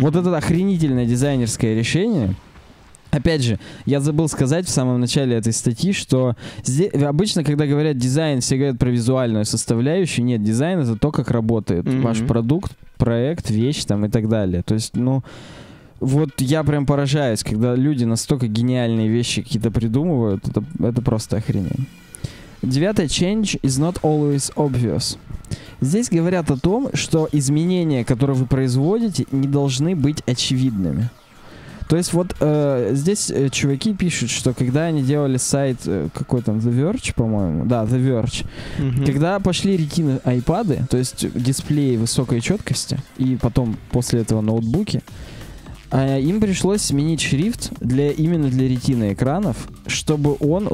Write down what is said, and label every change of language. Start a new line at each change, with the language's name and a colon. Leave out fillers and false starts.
Russian: Вот это охренительное дизайнерское решение. Опять же, я забыл сказать в самом начале этой статьи, что здесь, обычно, когда говорят дизайн, все говорят про визуальную составляющую. Нет, дизайн — это то, как работает mm-hmm. ваш продукт, проект, вещь там и так далее. То есть, ну... Вот я прям поражаюсь, когда люди настолько гениальные вещи какие-то придумывают, это просто охренеть. Девятое,
English: change is not always obvious.
Russian: Здесь говорят о том, что изменения, которые вы производите, не должны быть очевидными. То есть вот здесь чуваки пишут, что когда они делали сайт, какой там, The Verge, по-моему, да, The Verge, mm-hmm. когда пошли Retina iPad'ы, то есть дисплеи высокой четкости, и потом после этого ноутбуки, им пришлось сменить шрифт именно для ретины экранов, чтобы он...